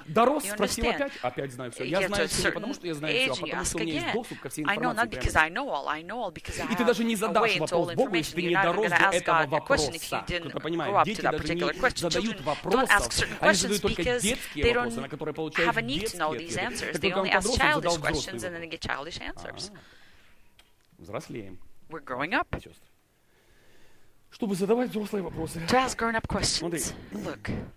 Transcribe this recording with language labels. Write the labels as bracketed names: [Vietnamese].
[Russian] Дорос спросил опять, опять знаю все. Я знаю все не потому, что я знаю все, а потому, что у меня есть доступ ко всей информации. И ты даже не задашь вопрос Богу, если ты не дорос до этого вопроса. Кто-то понимает, дети даже не задают вопросов, они задают только детские вопросы, на которые получают детские ответы. [English] These answers. They only ask childish questions and then they get childish answers. [Russian] Взрослеем. [English] We're growing up. [Russian] Чтобы задавать взрослые вопросы. [English] To ask grown-up questions. Look.